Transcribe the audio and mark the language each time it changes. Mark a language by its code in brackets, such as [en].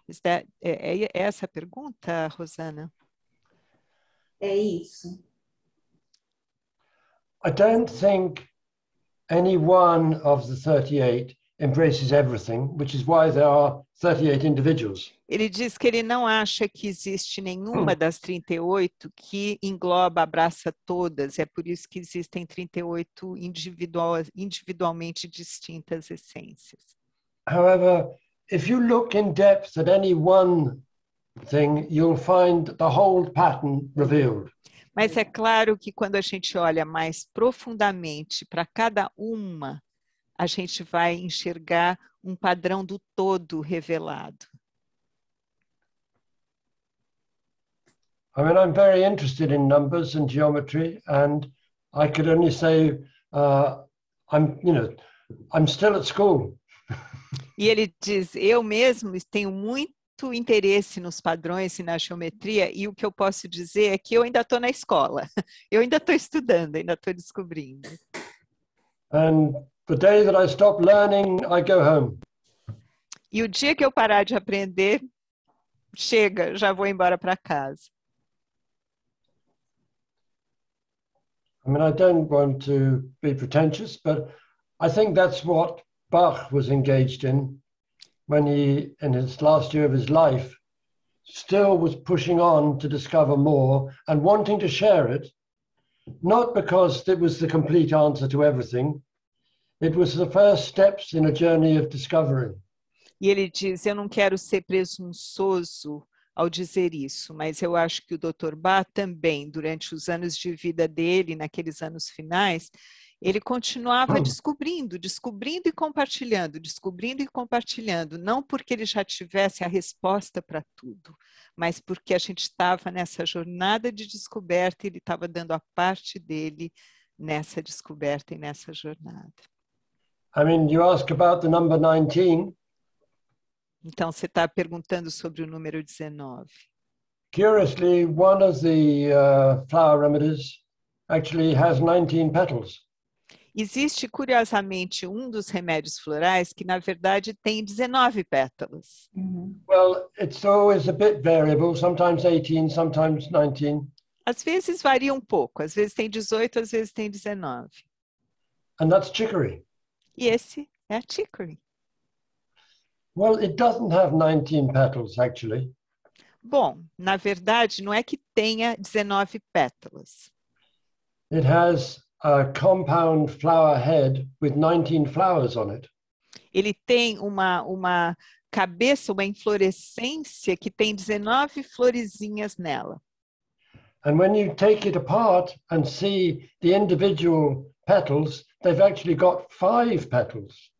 [en] Is that [pt] essa pergunta, Rosana? É isso. [en] I don't think any one of the 38 embraces everything, which is why there are 38 individuals. [pt] Ele diz que ele não acha que existe nenhuma das 38 que engloba, abraça todas. É por isso que existem 38 individualmente distintas essências. [en] However, if you look in depth at any one thing, you'll find the whole pattern revealed. [pt] Mas é claro que quando a gente olha mais profundamente para cada uma, a gente vai enxergar um padrão do todo revelado. [en] I mean, I'm very interested in numbers and geometry, and I could only say, I'm still at school. [pt] E ele diz, eu mesmo tenho muito interesse nos padrões e na geometria, e o que eu posso dizer é que eu ainda estou na escola. Eu ainda estou estudando, ainda estou descobrindo. [en] And the day that I stop learning, I go home. [pt] E o dia que eu parar de aprender, chega, já vou embora para casa. [en] I mean, I don't want to be pretentious, but I think that's what Bach was engaged in when he, in his last year of his life, still was pushing on to discover more and wanting to share it, not because it was the complete answer to everything. It was the first steps in a journey of discovery. [pt] E ele diz, eu não quero ser presunçoso ao dizer isso, mas eu acho que o Dr. Bach também, durante os anos de vida dele, naqueles anos finais, ele continuava descobrindo e compartilhando, não porque ele já tivesse a resposta para tudo, mas porque a gente estava nessa jornada de descoberta e ele estava dando a parte dele nessa descoberta e nessa jornada. [en] I mean, you ask about the number 19. [pt] Então, você está perguntando sobre o número 19. [en] Curiously, one of the flower remedies actually has 19 petals. [pt] Existe, curiosamente, um dos remédios florais que, na verdade, tem 19 pétalas. Mm-hmm. [en] Well, it's always a bit variable, sometimes 18, sometimes 19. [pt] Às vezes varia um pouco, às vezes tem 18, às vezes tem 19. [en] And that's chicory. [pt] E esse é a chicory. [en] Well, it doesn't have 19 petals, actually. [pt] Bom, na verdade, não é que tenha 19 pétalas. [en] It has a compound flower head with 19 flowers on it. [pt] Ele tem uma cabeça, uma inflorescência que tem 19 florezinhas nela. [en] And when you take it apart and see the individual petals, they've actually got 5 petals.